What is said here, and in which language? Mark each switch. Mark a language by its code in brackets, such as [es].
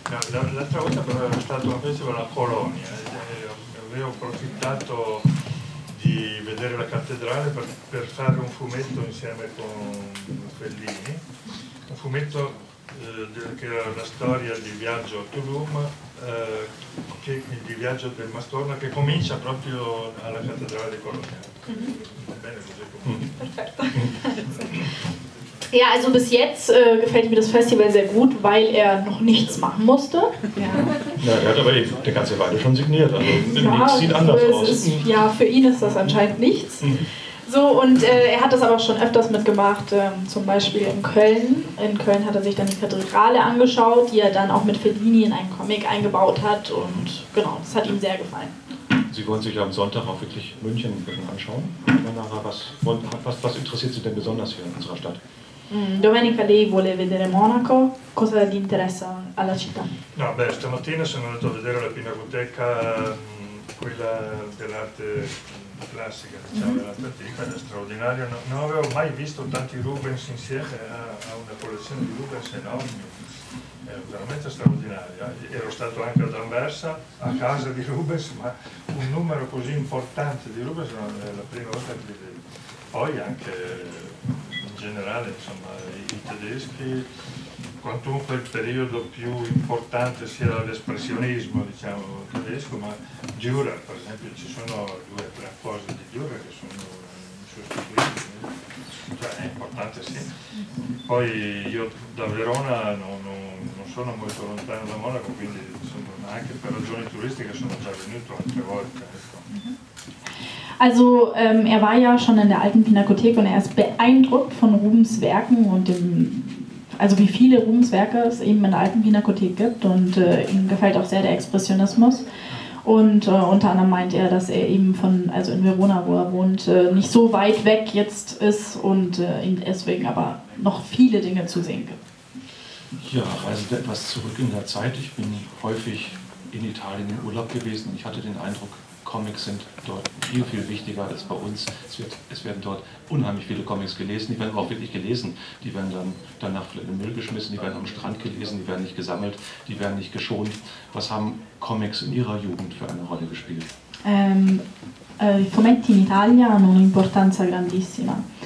[it] L'altra volta però era stato un festival a Colonia, avevo approfittato di vedere la cattedrale per fare un fumetto insieme con Fellini, un fumetto che era la storia di Viaggio a Tulum, di Viaggio del Mastorna, che comincia proprio alla cattedrale di Colonia. Mm-hmm. Bene, così comunque. Perfetto. [de] Ja, also bis jetzt gefällt mir das Festival sehr gut, weil er noch nichts machen musste. Ja, er hat aber eben der ganze Weile schon signiert, also ja, nichts sieht anders aus. Ja, für ihn ist das anscheinend nichts. So, und er hat das aber auch schon öfters mitgemacht, zum Beispiel in Köln. In Köln hat er sich dann die Kathedrale angeschaut, die er dann auch mit Fellini in einen Comic eingebaut hat. Und genau, das hat ihm sehr gefallen. Sie wollen sich ja am Sonntag auch wirklich München anschauen. Manara, was interessiert Sie denn besonders hier in unserer Stadt? [it] Domenica lei vuole vedere Monaco, cosa gli interessa alla città? No, beh, stamattina sono andato a vedere la Pinacoteca, quella dell'arte classica, diciamo, dell'arte antica, è straordinario. Non avevo mai visto tanti Rubens insieme a una collezione di Rubens enorme, è veramente straordinario. Ero stato anche ad Anversa, a casa di Rubens, ma un numero così importante di Rubens non è la prima volta che li vedo. Poi anche in generale, insomma, i tedeschi, quantunque il periodo più importante sia l'espressionismo, diciamo, tedesco, ma Dürer, per esempio, ci sono due o tre cose di Dürer che sono insostituibili, cioè è importante, sì. Poi io da Verona non sono molto lontano da Monaco, quindi insomma, anche per ragioni turistiche sono già venuto altre volte. Ecco. [de] Also er war ja schon in der alten Pinakothek und er ist beeindruckt von Rubens Werken und also wie viele Rubens Werke es eben in der alten Pinakothek gibt und ihm gefällt auch sehr der Expressionismus und unter anderem meint er, dass er eben von, also in Verona, wo er wohnt, nicht so weit weg jetzt ist und ihm deswegen aber noch viele Dinge zu sehen gibt. Ja, reiset etwas zurück in der Zeit. Ich bin häufig in Italien im Urlaub gewesen und ich hatte den Eindruck, Comics sind dort viel, viel wichtiger als bei uns. Es werden dort unheimlich viele Comics gelesen, die werden auch wirklich gelesen. Die werden dann danach in den Müll geschmissen, die werden am Strand gelesen, die werden nicht gesammelt, die werden nicht geschont. Was haben Comics in Ihrer Jugend für eine Rolle gespielt? [it] I fumetti in Italia hanno un'importanza grandissima.